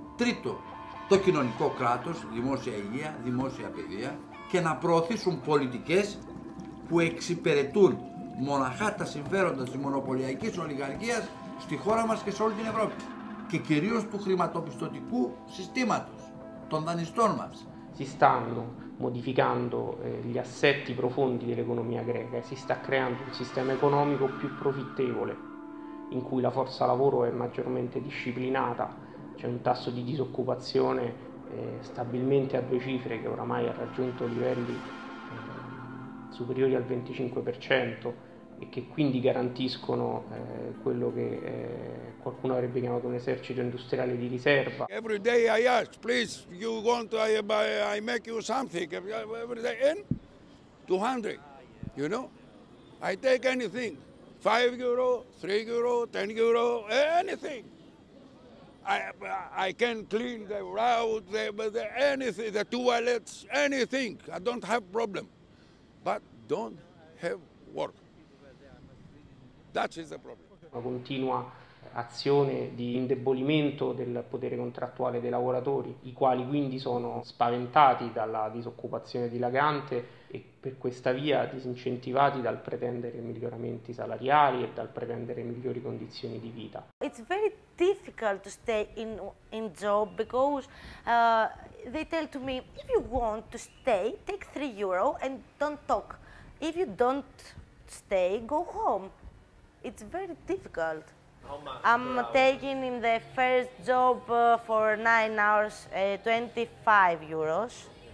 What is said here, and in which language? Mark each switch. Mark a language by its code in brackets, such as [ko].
[el] Τρίτο, το κοινωνικό κράτος, δημόσια υγεία, δημόσια παιδεία. Και να προωθήσουν πολιτικές που εξυπηρετούν μοναχά τα συμφέροντα της μονοπωλιακής ολιγαρχίας στη χώρα μας και σε όλη την Ευρώπη. Και κυρίως του χρηματοπιστωτικού συστήματος, των δανειστών μας. [it] Modificando gli assetti profondi dell'economia greca, si sta creando un sistema economico più profittevole, in cui la forza lavoro è maggiormente disciplinata, c'è un tasso di disoccupazione stabilmente a due cifre che oramai ha raggiunto livelli superiori al 25% e che quindi garantiscono quello che qualcuno avrebbe chiamato un esercito industriale di riserva. [en] Every day I ask, please, you want to, I make you something, every day, and 200, you know, I take anything, 5 euro, 3 euro, 10 euro, anything, I can clean the route, anything, the toilets, anything, I don't have problem, but don't have work. [it] Una continua azione di indebolimento del potere contrattuale dei lavoratori, i quali quindi sono spaventati dalla disoccupazione dilagante e per questa via disincentivati dal pretendere miglioramenti salariali e dal pretendere migliori condizioni di vita. [en] It's very difficult to stay in job because they tell to me if you want to stay take 3 euro and don't talk. If you don't stay go home. It's very difficult. I'm taking in the first job for 9 hours 25 euros.